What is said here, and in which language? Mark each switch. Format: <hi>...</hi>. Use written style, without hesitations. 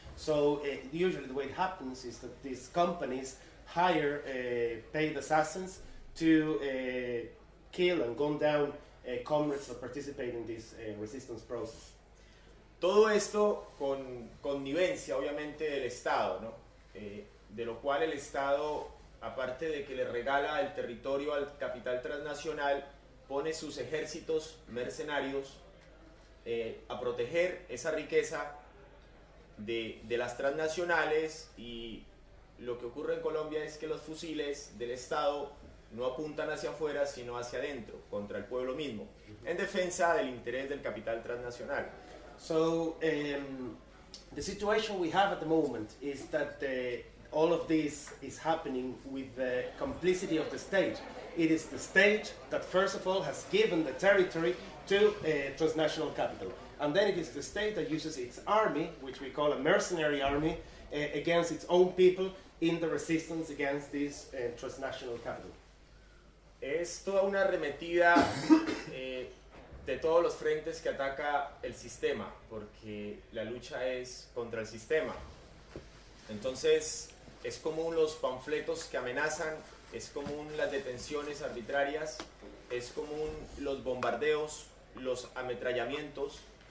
<en>So usually the way it happens is that these companies hire paid assassins to kill and gun down comrades that participate in this resistance process.</en> <es>Todo esto con connivencia, obviamente, del Estado, ¿no? De lo cual el Estado, aparte de que le regala el territorio al capital transnacional, pone sus ejércitos mercenarios a proteger esa riqueza de las transnacionales, y lo que ocurre en Colombia es que los fusiles del Estado no apuntan hacia afuera, sino hacia adentro, contra el pueblo mismo, en defensa del interés del capital transnacional.</es> <en>So, the situation we have at the moment is that all of this is happening with the complicity of the state. It is the state that, first of all, has given the territory to transnational capital. And then it is the state that uses its army, which we call a mercenary army, against its own people in the resistance against this transnational capital.</en> <es>Es toda una arremetida de todos los frentes que ataca el sistema, porque la lucha es contra el sistema. Entonces, es común los panfletos que amenazan, es común las detenciones arbitrarias, es común los bombardeos, los ametrallamientos.</es>